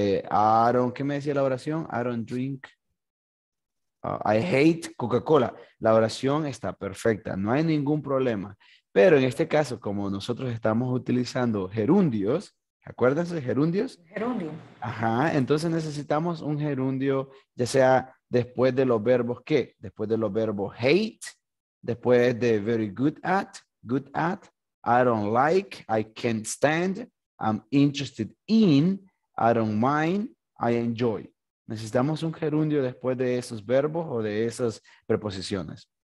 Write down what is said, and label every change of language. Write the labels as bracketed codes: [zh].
[en] Aaron, [es] ¿qué me decía la oración? [en] I don't drink. I hate Coca-Cola. [es] La oración está perfecta. No hay ningún problema. Pero en este caso, como nosotros estamos utilizando gerundios, ¿acuérdense de gerundios? Gerundio. Ajá. Entonces necesitamos un gerundio, ya sea después de los verbos ¿qué? Después de los verbos [en] hate, [es] después de [en] very good at, I don't like, I can't stand, I'm interested in, I don't mind, I enjoy. [es] Necesitamos un gerundio después de esos verbos o de esas preposiciones.